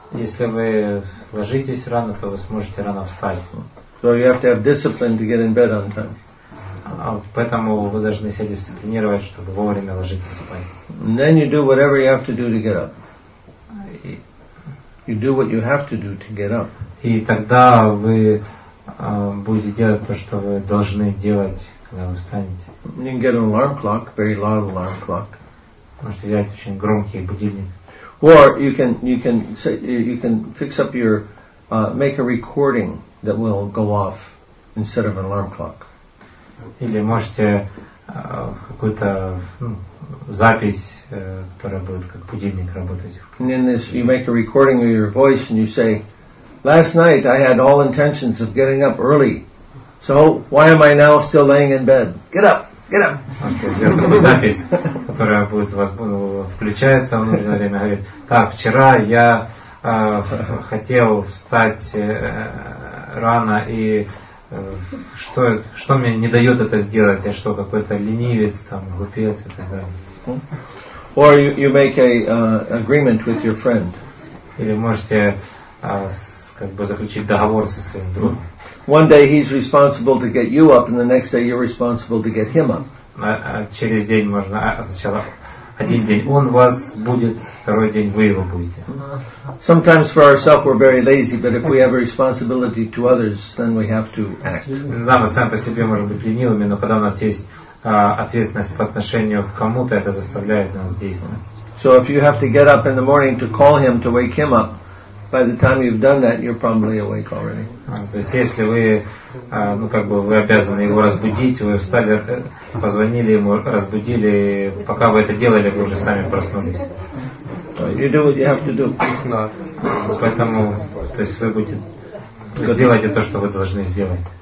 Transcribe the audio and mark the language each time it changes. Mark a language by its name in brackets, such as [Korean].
[Russian] Если вы ложитесь рано, то вы сможете рано встать. [English] So you have to have discipline to get in bed on time. [Russian] Поэтому вы должны себя дисциплинировать, чтобы вовремя ложиться спать. [English] And then you do whatever you have to do to get up. You do what you have to do to get up. [Russian] И тогда вы будете делать то, что вы должны делать, когда вы встанете. [English] You can get an alarm clock, very loud alarm clock. [Russian] Можете взять очень громкий будильник. [English] Or you can fix up your make a recording that will go off instead of an alarm clock. [Russian] Или можете какую-то запись, которая будет как будильник работать. [English] And then you make a recording of your voice and you say, last night I had all intentions of getting up early, so why am I now still laying in bed? Get up! Get up. [Russian] Запись, которая будет вас включается в нужное время, говорит: так, вчера я хотел встать рано, и что мне не дает это сделать? Я что, какой-то ленивец, там, глупец и так далее? [English] Or you make a agreement with your friend. [Russian] Или можете заключить договор со своим другом. [English] One day he's responsible to get you up, and the next day you're responsible to get him up. [Russian] Через день можно, сначала один день он вас будет, второй день вы его будете. [English] Sometimes for ourselves we're very lazy, but if we have a responsibility to others, then we have to act. [Russian] Да, мы сами по себе можем быть ленивыми, но когда у нас есть ответственность по отношению к кому-то, это заставляет нас действовать. [English] So if you have to get up in the morning to call him, to wake him up, by the time you've done that, you're probably awake already. [Russian] То есть если вы, вы обязаны его разбудить, вы встали, позвонили ему, разбудили, пока вы это делали, вы уже сами проснулись. [English] You do what you have to do. [Russian] Поэтому, то есть вы будете делать то, что вы должны сделать.